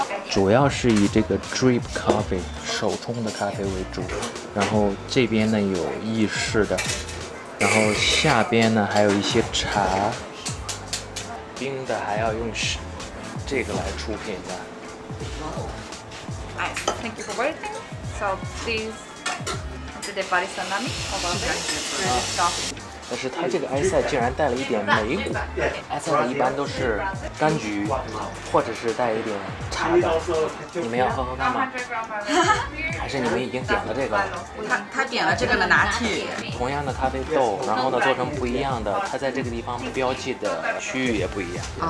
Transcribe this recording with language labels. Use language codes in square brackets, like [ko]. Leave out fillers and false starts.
[zh] 主要是以这个 drip coffee 手冲的咖啡为主，然后这边呢有意式的，然后下边呢还有一些茶，冰的还要用这个来出品的。 [en] Nice, thank you for waiting. So please, the barista Nami, how about this? [zh] 但是他这个埃塞竟然带了一点梅果，埃塞的一般都是柑橘，或者是带一点茶的。你们要喝喝看吗？还是你们已经点了这个了？他点了这个的拿铁。同样的咖啡豆，然后呢做成不一样的，他在这个地方标记的区域也不一样。